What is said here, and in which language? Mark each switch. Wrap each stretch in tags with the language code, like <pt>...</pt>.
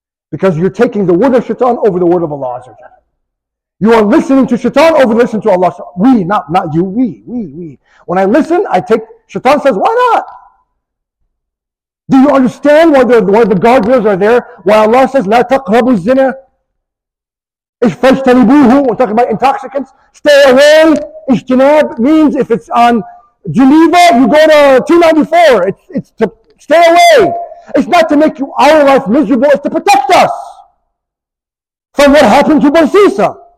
<en>Because you're taking the word of shaitan over the word of Allah. You are listening to shaitan over listening to Allah. We. When I listen, I take, shaitan says, why not? Do you understand why the guardrails are there? Why Allah says,</en> <ar>لا تقربوا الزنا.</ar> <en>اجتنبوه, we're talking about intoxicants. Stay away. Ijtinab means if it's on Geneva, you go to 294. It's to stay away. It's not to make our life miserable. It's to protect us from what happened to Barsisa.</en>